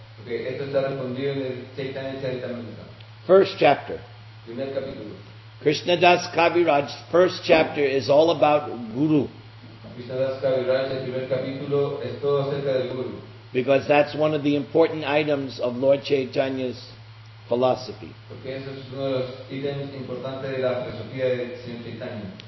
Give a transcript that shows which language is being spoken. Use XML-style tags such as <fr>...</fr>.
<es>Okay, esto está respondido en el Chaitanya Charitamrita.</es> <en>First chapter.</en> <es>Primer capítulo.</es> <en>Krishna Das Kaviraj's first chapter is all about Guru.</en> <es>Krishna Das Kaviraj, el primer capítulo, es todo acerca del Guru.</es> <en>Because that's one of the important items of Lord Chaitanya's philosophy.</en> <es>Porque eso es uno de los ítems importantes de la filosofía de Sri Chaitanya.</es>